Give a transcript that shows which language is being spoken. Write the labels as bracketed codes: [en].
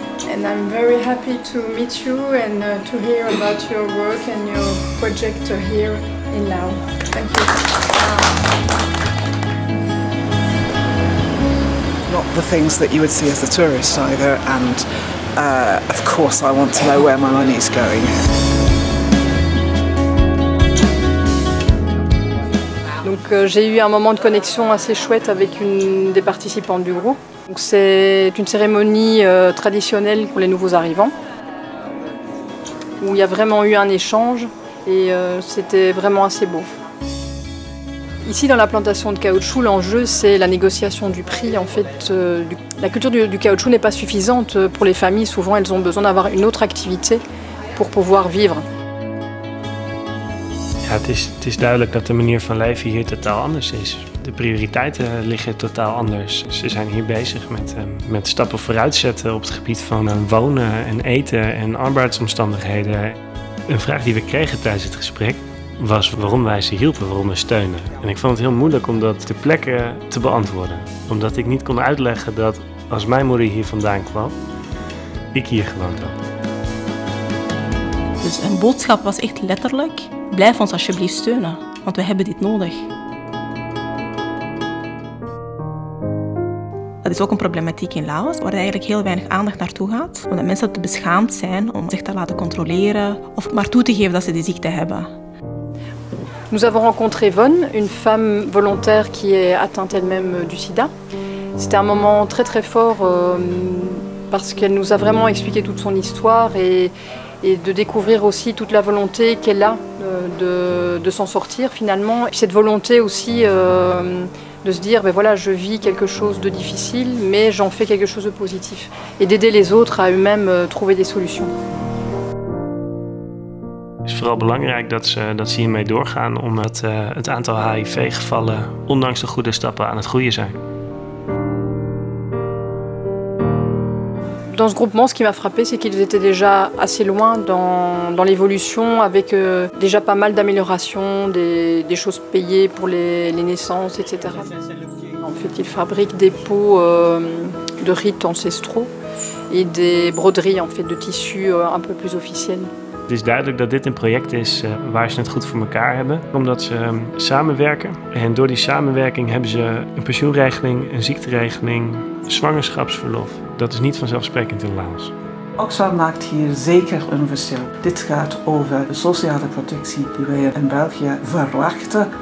[en] And I'm very happy to meet you and to hear about your work and your project here in Laos. Thank you. Not the things that you would see as a tourist either, and of course I want to know where my money's going. [fr] Donc j'ai eu un moment de connexion assez chouette avec une des participantes du groupe. Donc c'est une cérémonie traditionnelle pour les nouveaux arrivants, où il y a vraiment eu un échange et c'était vraiment assez beau. Ici dans la plantation de caoutchouc, l'enjeu c'est la négociation du prix. En fait, la culture du caoutchouc n'est pas suffisante pour les familles. Souvent elles ont besoin d'avoir une autre activité pour pouvoir vivre. [nl] Ja, het is duidelijk dat de manier van leven hier totaal anders is. De prioriteiten liggen totaal anders. Ze zijn hier bezig met stappen vooruitzetten op het gebied van wonen en eten en arbeidsomstandigheden. Een vraag die we kregen tijdens het gesprek was waarom wij ze hielpen, waarom we steunen. En ik vond het heel moeilijk om dat ter plekke te beantwoorden. Omdat ik niet kon uitleggen dat als mijn moeder hier vandaan kwam, ik hier gewoond had. Dus een boodschap was echt letterlijk: blijf ons alsjeblieft steunen, want we hebben dit nodig. Dat is ook een problematiek in Laos, waar eigenlijk heel weinig aandacht naartoe gaat. Omdat mensen te beschaamd zijn om zich te laten controleren of maar toe te geven dat ze die ziekte hebben. [fr] Nous avons rencontré Yvonne, une femme volontaire qui est atteinte elle-même du sida. C'était un moment très très fort parce qu'elle nous a vraiment expliqué toute son histoire et de découvrir aussi toute la volonté qu'elle a de s'en sortir finalement. Et cette volonté aussi de se dire, ben voilà, je vis quelque chose de difficile, mais j'en fais quelque chose de positif. Et d'aider les autres à eux-mêmes trouver des solutions. [nl] Het is vooral belangrijk dat ze hiermee doorgaan omdat het aantal HIV-gevallen, ondanks de goede stappen, aan het groeien zijn. [fr] Dans ce groupement, ce qui m'a frappé, c'est qu'ils étaient déjà assez loin dans l'évolution, avec déjà pas mal d'améliorations, des choses payées pour les naissances, etc. En fait, ils fabriquent des pots de rites ancestraux et des broderies en fait de tissus un peu plus officiels. [nl] Het is duidelijk dat dit een project is waar ze het goed voor elkaar hebben. Omdat ze samenwerken. En door die samenwerking hebben ze een pensioenregeling, een ziekteregeling, zwangerschapsverlof. Dat is niet vanzelfsprekend in Laos. Oxfam maakt hier zeker een verschil. Dit gaat over de sociale protectie die wij in België verwachten.